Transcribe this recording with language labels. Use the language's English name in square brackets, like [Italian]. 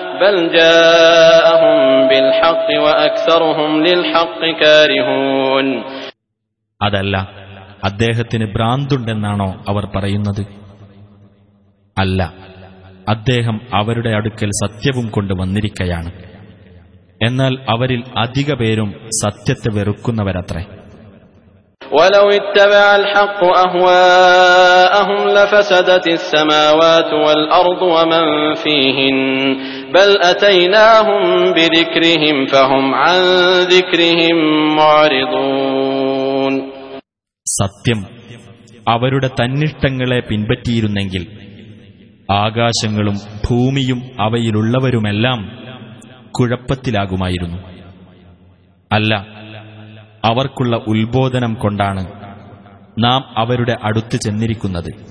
[Arabic] بل جاءهم بالحق واكثرهم للحق كارهون [Malayalam] അതല്ല അദ്ദേഹത്തിന് ഭ്രാന്തുണ്ടെന്നാണോ അവർ പറയുന്നത്? അല്ല, അദ്ദേഹം അവരുടെ അടുക്കൽ സത്യവും കൊണ്ട് വന്നിരിക്കയാണ്. എന്നാൽ അവരിൽ അധിക പേരും സത്യത്തെ വെറുക്കുന്നവരത്രേ. [Arabic] ولو اتبع الحق اهواءهم لفسدت السماوات والارض ومن فيهن بل أتيناهم بذكرهم فهم عن ذكرهم معرضون. [Malayalam] സത്യം അവരുടെ തന്നിഷ്ടങ്ങളെ പിൻപറ്റിയിരുന്നെങ്കിൽ ആകാശങ്ങളും ഭൂമിയും അവയിലുള്ളവരുമെല്ലാം കുഴപ്പത്തിലാകുമായിരുന്നു. അല്ല, അവർക്കുള്ള ഉത്ബോധനം കൊണ്ടാണ് നാം അവരുടെ അടുത്ത് ചെന്നിരിക്കുന്നത്.